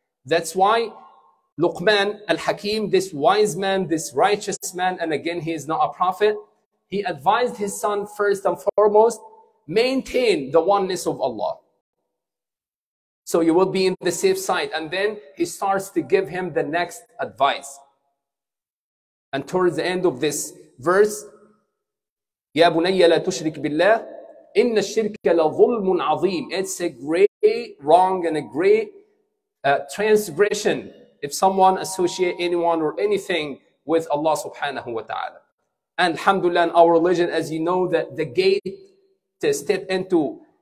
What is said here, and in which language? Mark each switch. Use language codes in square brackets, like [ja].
[en] That's why Luqman al-Hakim, this wise man, this righteous man, and again, he is not a prophet, he advised his son first and foremost, maintain the oneness of Allah. So you will be in the safe side. And then he starts to give him the next advice. And towards the end of this verse, [ar] يَا بُنَيَّ لَا تُشْرِكْ بِاللَّهِ إِنَّ الشِّرْكَ لَظُلْمٌ عَظِيمٌ. [en] It's a great wrong and a great transgression if someone associate anyone or anything with Allah subhanahu wa ta'ala. And alhamdulillah, in our religion, as you know, that the gate to step into